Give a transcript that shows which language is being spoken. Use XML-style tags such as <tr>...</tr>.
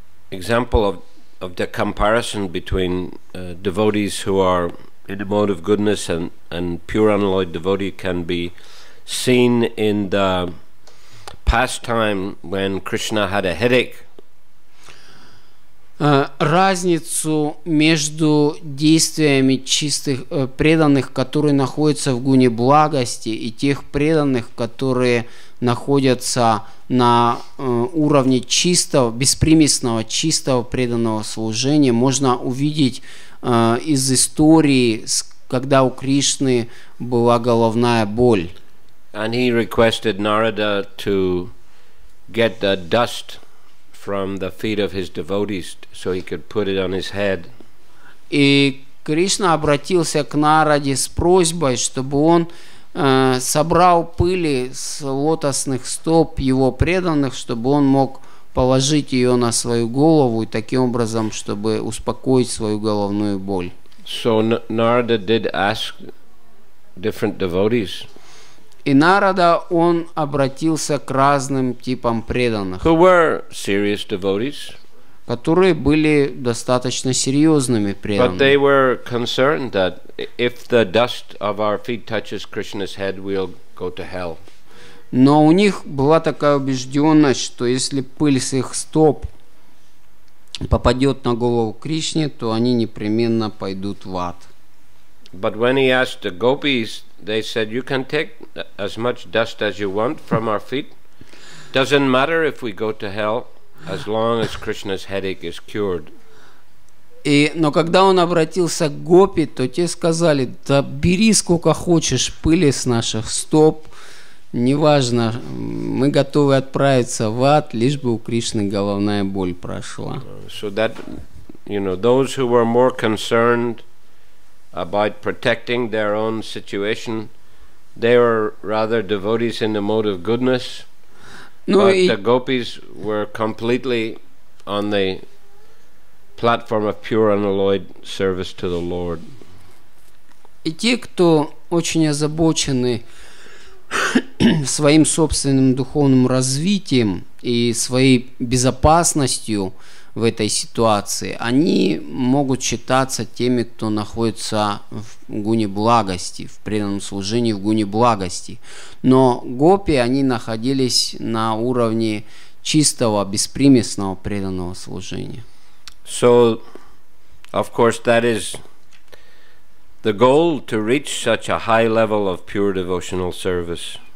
<en>Example of the comparison between devotees who are in the mode of goodness and pure unalloyed devotee can be seen in the pastime when Krishna had a headache.</en> <ru>Разницу между действиями чистых преданных, которые находятся в гуне благости, и тех преданных, которые находятся на уровне чистого, беспримесного, чистого преданного служения, можно увидеть из истории, когда у Кришны была головная боль.</ru> <en>And he requested Narada to get the dust from the feet of his devotees so he could put it on his head.</en> <ru>И Кришна обратился к Нараде с просьбой, чтобы он собрал пыли с лотосных стоп его преданных, чтобы он мог положить ее на свою голову и таким образом, чтобы успокоить свою головную боль.</ru> <en>So Narada did ask different devotees.</en> <ru>И Нарада, он обратился к разным типам преданных,</ru> <en>who were serious devotees,</en> <ru>которые были достаточно серьезными преданными.</ru> <en>But they were concerned that if the dust of our feet touches Krishna's head, we'll go to hell.</en> <ru>Но у них была такая убежденность, что если пыль с их стоп попадет на голову Кришне, то они непременно пойдут в ад.</ru> <en>But when he asked the gopis, they said, "You can take as much dust as you want from our feet. Doesn't matter if we go to hell, as long as Krishna's headache is cured."</en> <ru>И, но когда он обратился к гопи, то те сказали: "Да бери сколько хочешь пыли с наших стоп. Неважно, мы готовы отправиться в ад, лишь бы у Кришны головная боль прошла."</ru> <en>So that, you know, those who were more concerned about protecting their own situation, they were rather devotees in the mode of goodness. Ну but и... the gopis were completely on the platform of pure unalloyed service to the Lord.</en> <ru>И те, кто очень озабочены своим собственным духовным развитием и своей безопасностью в этой ситуации, они могут считаться теми, кто находится в гуне благости, в преданном служении в гуне благости. Но гопи, они находились на уровне чистого, беспримесного преданного служения.</ru> <en>So, of course, that is the goal, to reach such a high level of pure devotional service.</en>